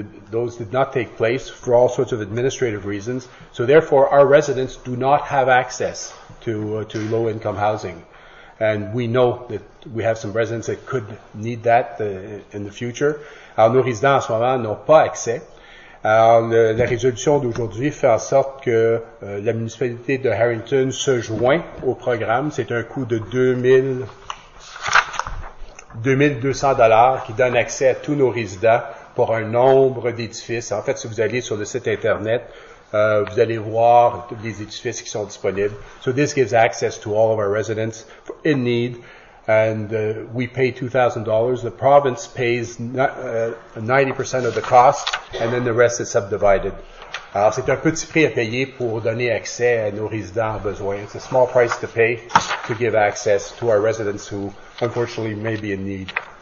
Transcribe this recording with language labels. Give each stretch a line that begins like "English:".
English: Those did not take place for all sorts of administrative reasons. So therefore, our residents do not have access to low-income housing. And we know that we have some residents that could need that in the future.
French: Alors, nos résidents en ce moment n'ont pas accès. Alors, la résolution d'aujourd'hui fait en sorte que la municipalité de Harrington se joint au programme. C'est un coût de $2,200 qui donne accès à tous nos résidents pour un nombre d'édifices. En fait, si vous allez sur le site Internet, vous allez voir les édifices qui sont disponibles.
English: So this gives access to all of our residents in need, and we pay $2,000. The province pays 90% of the cost, and then the rest is subdivided.
French: Alors, c'est un petit prix à payer pour donner accès à nos résidents en besoin.
English: It's a small price to pay to give access to our residents who, unfortunately, may be in need.